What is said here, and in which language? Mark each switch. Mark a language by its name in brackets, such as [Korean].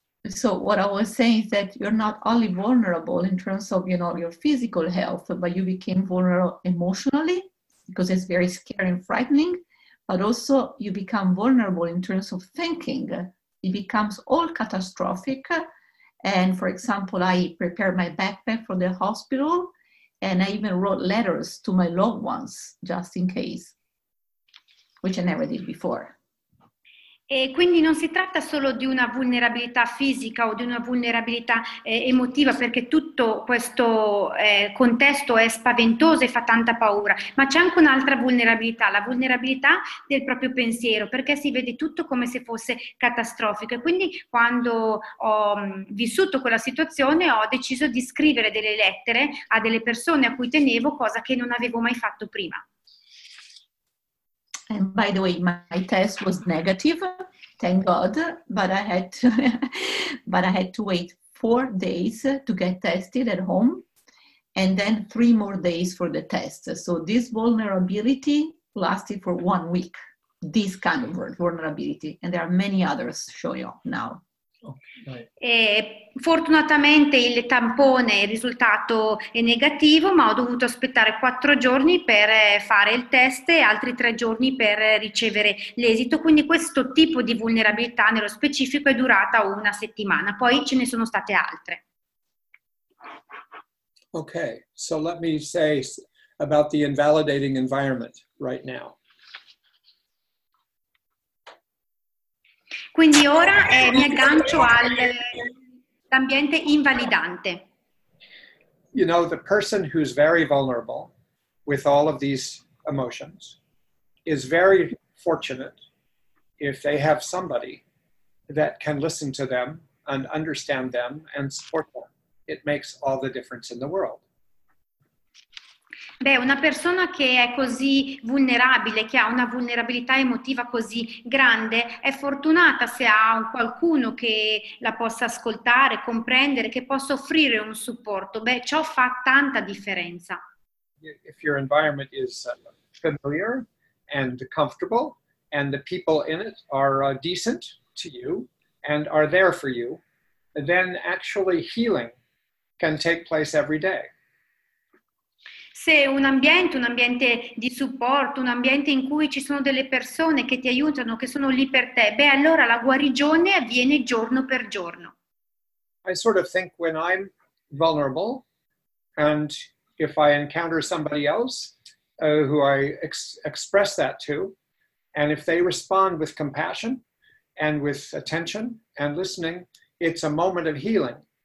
[English] So, what I was saying is that you're not only vulnerable in terms of, you know, your physical health, but you became vulnerable emotionally, because it's very scary and frightening, but also you become vulnerable in terms of thinking. It becomes all catastrophic. And for example, I prepared my backpack for the hospital, and I even wrote letters to my loved ones just in case, which I never did before. [Italian] E quindi non si tratta solo di una vulnerabilità fisica o di una vulnerabilità emotiva, perché tutto questo contesto è spaventoso e fa tanta paura, ma c'è anche un'altra vulnerabilità, la vulnerabilità del proprio pensiero, perché si vede tutto come se fosse catastrofico. E quindi quando ho vissuto quella situazione ho deciso di scrivere delle lettere a delle persone a cui tenevo, cosa che non avevo mai fatto prima. [English] And by the way, my test was negative, thank God, but I had to wait 4 days to get tested at home, and then 3 more days for the test. So this vulnerability lasted for 1 week, this kind of vulnerability, and there are many others showing up now. [Italian] E fortunatamente il tampone, il risultato è negativo, ma ho dovuto aspettare 4 giorni per fare il test e altri 3 giorni per ricevere l'esito. Quindi questo tipo di vulnerabilità nello specifico è durata 1 settimana, poi ce ne sono state altre. [English] Ok, so let me say about the invalidating environment right now. [Italian] Quindi ora mi aggancio all'ambiente invalidante. [English] You know, the person who's very vulnerable with all of these emotions is very fortunate if they have somebody that can listen to them and understand them and support them. It makes all the difference in the world. [Italian] Beh, una persona che è così vulnerabile, che ha una vulnerabilità emotiva così grande, è fortunata se ha qualcuno che la possa ascoltare, comprendere, che possa offrire un supporto. Beh, ciò fa tanta differenza. [English] If your environment is familiar and comfortable and the people in it are decent to you and are there for you, then actually healing can take place every day. [Italian] Se un ambiente di supporto, un ambiente in cui ci sono delle persone che ti aiutano, che sono lì per te, beh, allora la guarigione avviene giorno per giorno. [English] I sort of think when I'm vulnerable and if I encounter somebody else who I express that to, and if they respond with compassion and with attention and listening, it's a moment of healing.